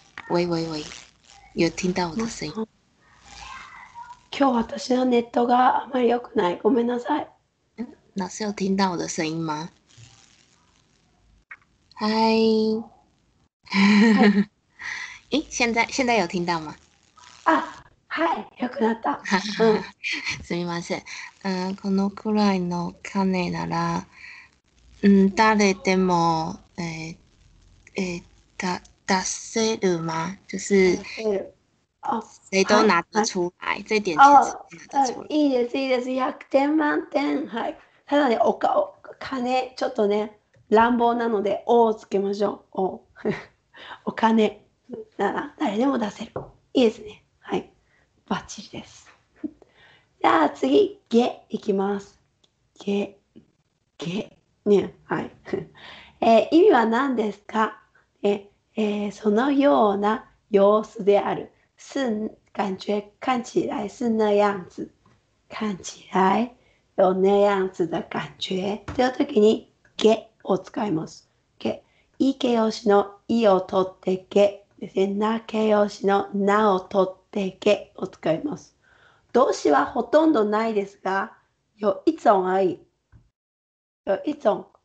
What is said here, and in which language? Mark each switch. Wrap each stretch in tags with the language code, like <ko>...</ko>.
<zh>喂喂喂，有听到我的声音？</zh> <ja>今日私のネットがあまり良くない、ごめんなさい。</ja> <zh>老师有听到我的声音吗？嗨，诶，现在有听到吗？</zh> <ja>啊，嗨，良くなった。すみません。このくらいの金なら、誰でも、出せるま，</ja> <zh>就是谁都拿得出来，这点钱是拿得出来。</zh> <ja>いいですいいです、100点満点。はい。ただね、お金ちょっとね乱暴なので、おをつけましょう。お、お金なら誰でも出せる。いいですね。はい。バッチリです。じゃあ次、げいきます。げ、げ、ね、はい。意味は何ですか？そのような様子である。</ja> <zh>是感觉看起来是那样子。看起来有那样子的感觉。</zh> <ja>という時に、げを使います。げ。いい形容詞のいをとってげ。ですね。な形容詞のなをとってげを使います。動詞はほとんどないですが、</ja> <zh>有一种而已。有一种。</zh>